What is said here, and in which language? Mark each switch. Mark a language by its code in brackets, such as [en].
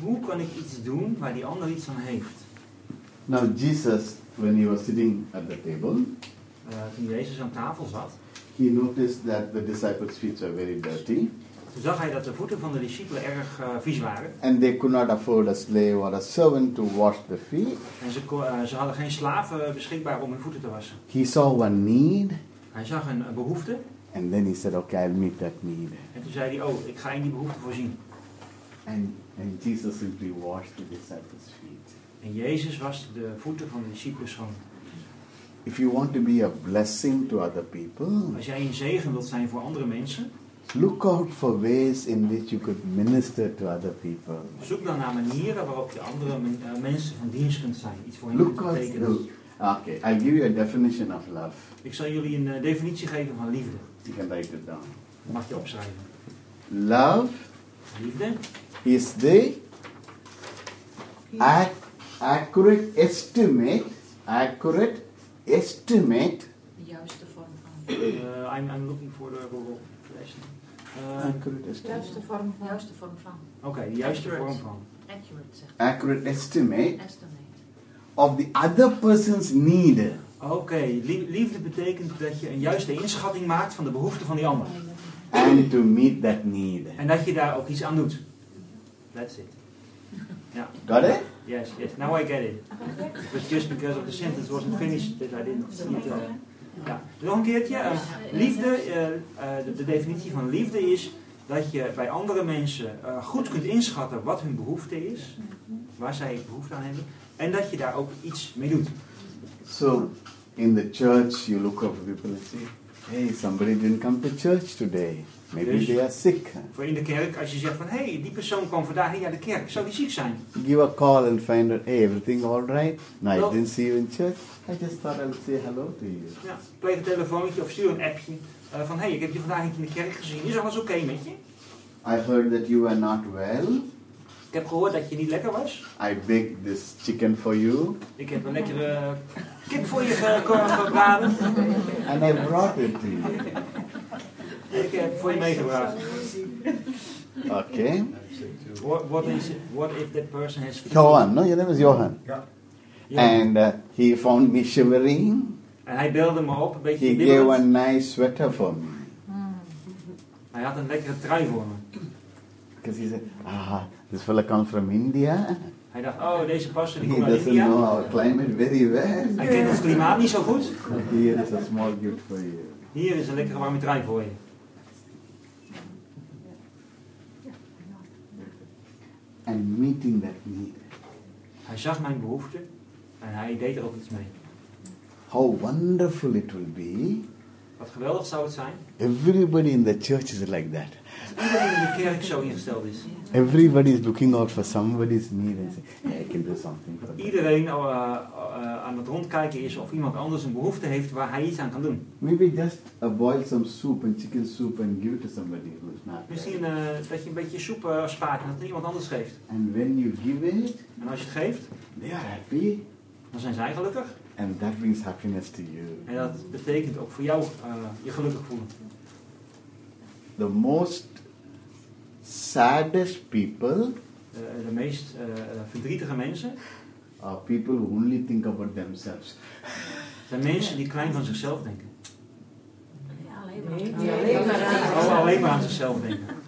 [nl] Hoe kan ik iets doen waar die ander iets aan heeft? [en] Now Jesus, when he was sitting at the table, [nl] toen Jezus aan tafel zat, [en] he noticed that the disciples' feet were very dirty. [nl] Toen zag hij dat de voeten van de discipelen erg vies waren. [en] And they could not afford a slave or a servant to wash the feet. [nl] En ze hadden geen slaven beschikbaar om hun voeten te wassen. [en] He saw one need. [nl] Hij zag een behoefte. [en] And then he said, okay, I'll meet that need. [nl] En toen zei hij, oh, ik ga in die behoefte voorzien. [en] And Jesus simply washed the disciples' feet. [nl] En Jezus was de voeten van de discipelen schoon. [en] If you want to be a blessing to other people. [nl] Als jij een zegen wilt zijn voor andere mensen. [en] Look out for ways in which you could minister to other people. [nl] Zoek dan naar manieren waarop je andere mensen van dienst kunt zijn. Iets voor hen kunt betekenen. [en] Okay, I'll give you a definition of love. [nl] Ik zal jullie een definitie geven van liefde. [en] You can write it down. [nl] mag je opschrijven. [en] Love. [nl] Liefde. [en] Is the accurate estimate. Accurate estimate. [nl] De juiste vorm van. [en] I'm looking for the Google question. Accurate estimate. [nl] Juiste vorm van. Oké, de juiste vorm van. [en] Accurate estimate. Estimate. Of the other person's need. [nl] Oké, liefde betekent dat je een juiste inschatting maakt van de behoefte van die ander. [en] And to meet that need. [nl] En dat je daar ook iets aan doet. [en] That's it. Yeah. Got it? Yes, yes. Now I get it. But just because of the sentence wasn't finished, that I didn't see it all. [nl] Ja, nog een keertje. Liefde, de definitie van liefde is dat je bij andere mensen goed kunt inschatten wat hun behoefte is, waar zij behoefte aan hebben, en dat je daar ook iets mee doet. [en] So, in the church, you look up people and say, hey, somebody didn't come to church today. Maybe [nl] dus [en] they are sick. [nl] Voor in de kerk, als je zegt van, hey, die persoon kwam vandaag niet naar de kerk, zou die ziek zijn? [en] Give a call and find out, hey, everything all right? No, I didn't see you in church. I just thought I would say hello to you. [nl] Ja, pleeg een telefoontje of stuur een appje van, hey, ik heb je vandaag niet in de kerk gezien. Is alles oké met je? [en] I heard that you were not well. [nl] Ik heb gehoord dat je niet lekker was. [en] I baked this chicken for you. [nl] Ik heb een lekkere kip voor je gebraden. [en] And I brought it to you. [nl] Ik heb voor je meegebracht. [en] Oké. Okay. What is it? What if that person has? Johan, no, your name is Johan. Ja. Yeah. And he found me shivering. [nl] En hij belde me op, een beetje. [en] He gave a nice sweater for me. [nl] Hij had een lekkere trui voor me. [en] Because he said, ah, this fella comes from India. [nl] Hij dacht, oh, deze pastor komt uit India. [en] He doesn't know our climate very well. [nl] Hij kent ons klimaat niet zo goed. [en] Here is a small gift for you. [nl] Hier is een lekkere warme trui voor je. [en] And meeting that need. [nl] Hij zag mijn behoefte en hij deed er ook iets mee. [en] How wonderful it will be. [nl] Wat geweldig zou het zijn. [en] Everybody in the church is like that. [nl] Iedereen in de kerk zo ingesteld is. [en] Everybody is looking out for somebody's need and say, hey, I can do something for them. [nl] Iedereen aan het rondkijken is of iemand anders een behoefte heeft waar hij iets aan kan doen. [en] Maybe just a boil some soup and chicken soup and give it to somebody who is not. [nl] Misschien dat je een beetje soep spaart en dat iemand anders geeft. [en] And when you give it, [nl] en als je het geeft, [en] they are happy. [nl] Dan zijn zij gelukkig. [en] And that brings happiness to you. [nl] En dat betekent ook voor jou je gelukkig voelen. [en] The most saddest people, [nl] de meest verdrietige mensen, [en] are people who only think about themselves. [nl] Zijn mensen die klein van zichzelf denken. Ja, alleen maar aan zichzelf. Oh, alleen maar aan zichzelf denken.